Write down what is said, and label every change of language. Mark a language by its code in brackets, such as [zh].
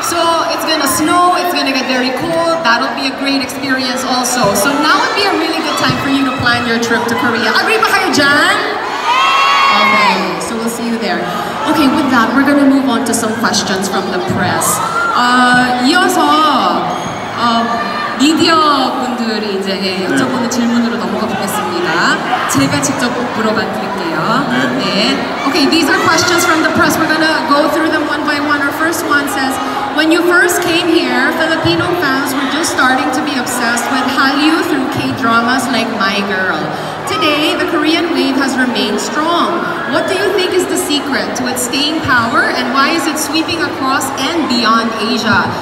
[en] So it's gonna snow, it's gonna get very cold. That'll be a great experience also. So now would be a really good time for you to plan your trip to Korea. [tl] Agree ba kayo dyan? [en] Okay, so we'll see you there. Okay, with that, we're gonna move on to some questions from the press. [ko] 이어서 미디어 분들이 이제 여쭤보는 질문으로 넘어가 보겠습니다. 제가 직접 물어봐 드릴게요. [en] 네. Okay, these are questions from the press. We're gonna go through them one by one. Our first one says, when you first came here, Filipino fans were just starting to be obsessed with Hallyu through K-dramas like My Girl. Today, the Korean wave has remained strong. What do you think is the secret to its staying power and why is it sweeping across and beyond Asia?